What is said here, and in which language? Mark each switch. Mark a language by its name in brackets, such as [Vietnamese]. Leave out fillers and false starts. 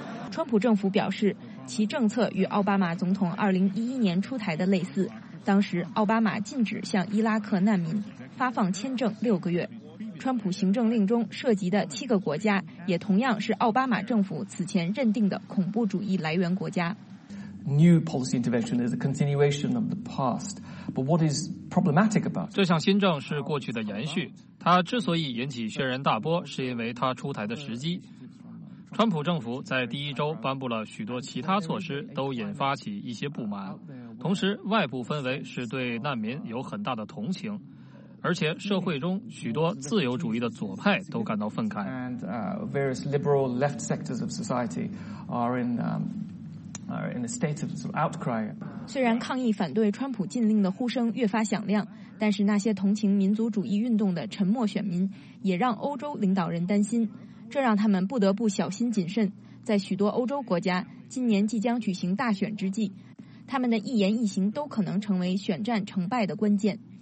[Chinese] 川普政府表示，其政策与奥巴马总统2011年出台的类似，当时奥巴马禁止向伊拉克难民发放签证6个月。川普行政令中涉及的7个国家也同样是奥巴马政府此前认定的恐怖主义来源国家。 [English] New policy intervention is a continuation of the past, but what is problematic about? [Chinese] 这项新政是过去的延续，它之所以引起轩然大波，是因为它出台的时机。川普政府在第一周颁布了许多其他措施，都引发起一些不满，同时外部氛围是对难民有很大的同情。而且社会中许多自由主义的左派都感到愤慨。 [English] Various liberal left sectors of society are in a state of outcry. [Chinese] 虽然抗议反对川普禁令的呼声越发响亮，但是那些同情民族主义运动的沉默选民也让欧洲领导人担心，这让他们不得不小心谨慎。在许多欧洲国家今年即将举行大选之际，他们的一言一行都可能成为选战成败的关键。